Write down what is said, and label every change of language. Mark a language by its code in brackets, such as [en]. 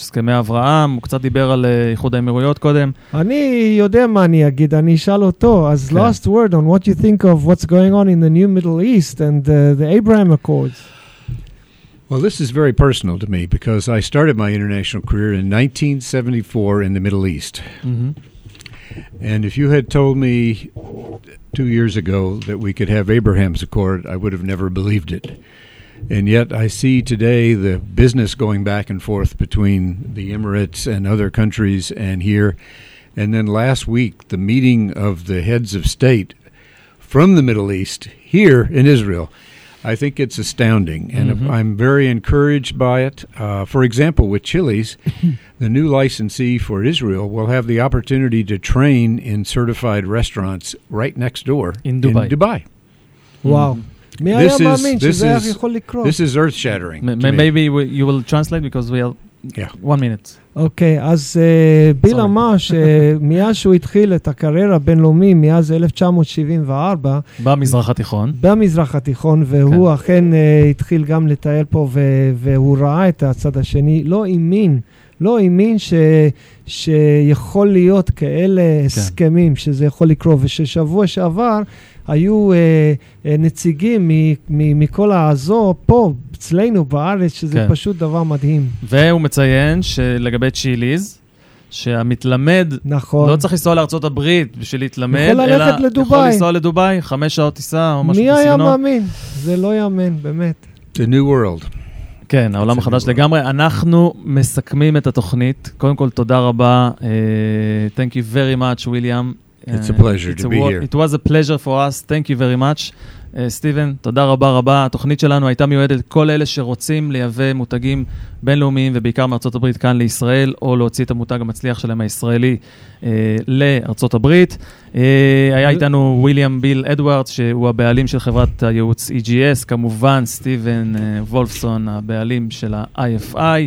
[he] הסכמי אברהם, הוא קצת דיבר על איחוד האמירויות קודם. אני יודע מה אני אגיד, אני אשאל אותו. אז כן. [en] Last word on what you think of what's going on in the new Middle East and the Abraham Accords. Well, this is very personal to me because I started my international career in 1974 in the Middle East. And if you had told me 2 years ago that we could have Abraham's Accord, I would have never believed it. And yet I see today the business going back and forth between the Emirates and other countries and here. And then last week, the meeting of the heads of state from the Middle East here in Israel. I think it's astounding, and I'm very encouraged by it. For example, with Chili's, the new licensee for Israel will have the opportunity to train in certified restaurants right next door in Dubai. In Dubai. Wow. This is earth-shattering. Maybe you will translate because we have 1 minute. [he] אוקיי, אז ביל אמר שמאז שהוא התחיל את הקריירה הבינלאומי, מאז 1974, במזרח התיכון, והוא אכן התחיל גם לטייל פה, והוא ראה את הצד השני, לא אמין שיכול להיות כאלה הסכמים, שזה יכול לקרות, וששבוע שעבר היו נציגים מכל האזור פה, אצלנו בארץ, שזה פשוט דבר מדהים. והוא מציין שלגבי צ'יליז, שהמתלמד, נכון. לא צריך לנסוע לארצות הברית בשביל להתלמד, יכול ללכת לדובאי. יכול לנסוע לדובאי, 5 שעות טיסה או משהו בסגנון. מי היה מאמין? זה לא יאמן, באמת. [en] The new world. [he] כן, העולם החדש לגמרי. אנחנו מסכמים את התוכנית. קודם כל, תודה רבה. [en] Thank you very much, William. It's a pleasure to be here. It was a pleasure for us. Thank you very much. סטיבן, [he] תודה רבה רבה. התוכנית שלנו הייתה מיועדת כל אלה שרוצים לייבא מותגים בינלאומיים, ובעיקר מארצות הברית כאן לישראל, או להוציא את המותג המצליח שלהם הישראלי לארצות הברית. היה איתנו ויליאם ביל אדוארדס, שהוא הבעלים של חברת הייעוץ EGS, כמובן סטיבן וולפסון, הבעלים של ה-IFI.